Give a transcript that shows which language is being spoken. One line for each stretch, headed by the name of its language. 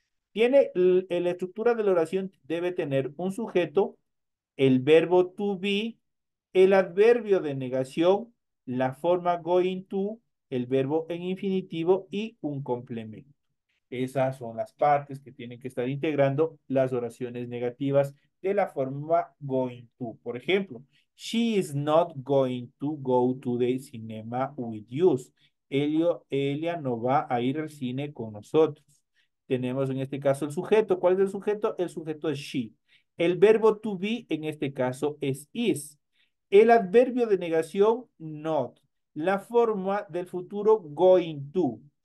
Spanish: Tiene la estructura de la oración debe tener un sujeto, el verbo to be, el adverbio de negación, la forma going to, el verbo en infinitivo y un complemento. Esas son las partes que tienen que estar integrando las oraciones negativas de la forma going to. Por ejemplo,
English: she is not going to go to the cinema with you.
Spanish: Ella no va a ir al cine con nosotros. Tenemos en este caso el sujeto. ¿Cuál es el sujeto? El sujeto es she. El verbo to be en este caso es is. El adverbio de negación, not. La forma del futuro, going to.